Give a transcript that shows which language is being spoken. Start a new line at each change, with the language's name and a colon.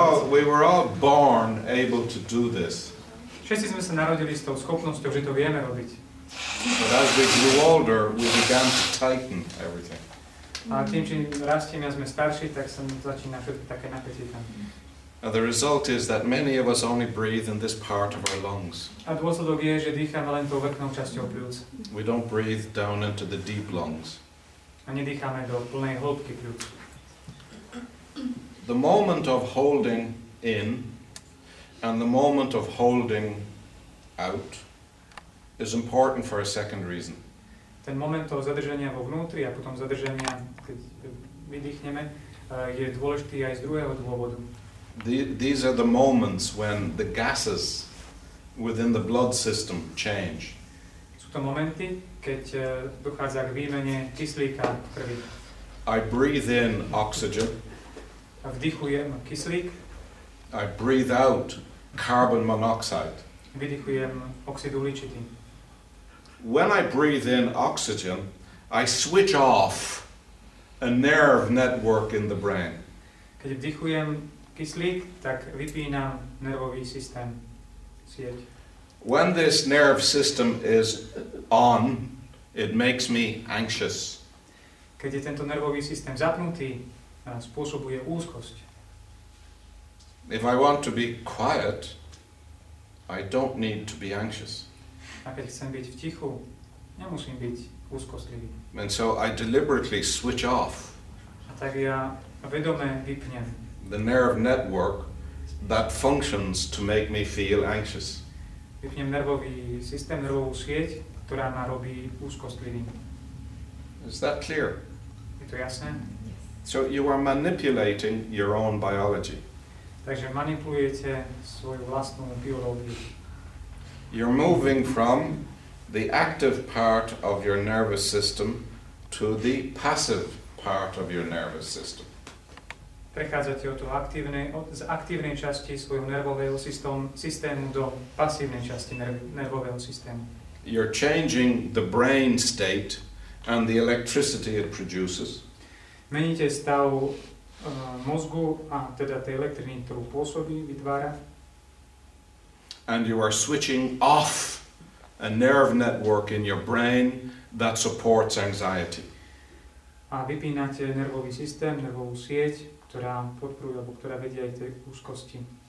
English: we were all born able to do this.
Slovak: Všetci sme sa narodili s tou schopnosťou, že to vieme robiť.
English: But as we grew older, we began to tighten everything.
Slovak: A tým, čím rastieme a sme starší, tak sa začína všetko také napätie tam.
English: Now the result is that many of us only breathe in this part of our lungs.
Slovak: A dôsledok je, že dýchame len tou vrchnou časťou pľúc.
English: We don't breathe down into the deep lungs.
Slovak: A nedýchame do plnej hĺbky pľúc.
English: The moment of holding in and the moment of holding out is important for a second reason.
Slovak: Ten moment toho zadržania vo vnútri a potom zadržania, keď vydýchneme, je dôležitý aj z druhého dôvodu.
English: These are the moments when the gases within the blood system change.
Slovak: Sú to momenty, keď dochádza k výmene kyslíka v krvi.
English: I breathe in oxygen.
Slovak: Vdychujem kyslík.
English: I breathe out carbon monoxide.
Slovak: Vydychujem oxid uhličitý.
English: When I breathe in oxygen, I switch off a nerve network in the brain.
Slovak: Keď vdychujem kyslík, tak vypínam nervový systém, sieť.
English: When this nerve system is on, it makes me anxious.
Slovak: Keď je tento nervový systém zapnutý, spôsobuje úzkosť.
English: If I want to be quiet, I don't need to be anxious.
Slovak: A keď chcem byť v tichu, nemusím byť úzkostlivý.
English: And so I deliberately switch off.
Slovak: A tak ja vedome vypnem
English: the nerve network that functions to make me feel anxious.
Slovak: Vypnem nervový systém, nervovú sieť, ktorá ma robí úzkostlivým.
English: Is that clear?
Slovak: Je to jasné?
English: Yes. So you are manipulating your own biology.
Slovak: Takže manipulujete svoju vlastnú biológiu.
English: You're moving from the active part of your nervous system to the passive part of your nervous system.
Slovak: Prechádzate od aktívnej časti svojho nervového systému do pasívnej časti nervového systému.
English: You're changing the brain state and the electricity it produces.
Slovak: Meníte stav mozgu a teda tej elektriny, ktorú pôsobí, vytvára.
English: And you are switching off a nerve network in your brain that supports anxiety.
Slovak: A vypínate nervový systém, nervovú sieť, ktorá podporuje, alebo ktorá vedie aj tej úzkosti.